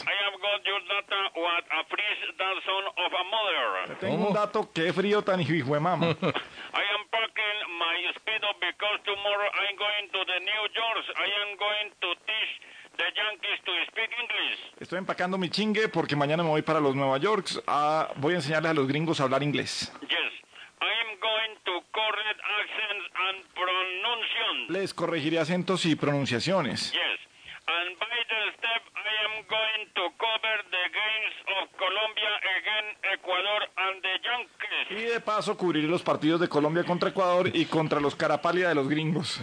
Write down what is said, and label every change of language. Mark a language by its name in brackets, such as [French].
[English] I have got your data what a freeze that son of a mother. [Spanish] Tengo un dato, qué frío tan hijo de mama. [English] I am parking my speedo because tomorrow I'm going to the New Jersey. I am going to teach the Yankees to speak English. [Spanish] Estoy empacando mi chingue porque mañana me voy para los Nueva Yorks. Voy a enseñarles a los gringos a hablar inglés. [English] Yes. I'm going to correct accents and pronunciations. [Spanish] Les corregiré acentos y pronunciaciones. [English] Yes. And by the step, I am going to cover the games of Colombia against Ecuador and the Yankees. [Spanish] Y de paso, cubriré los partidos de Colombia contra Ecuador y contra los cara pálida de los gringos.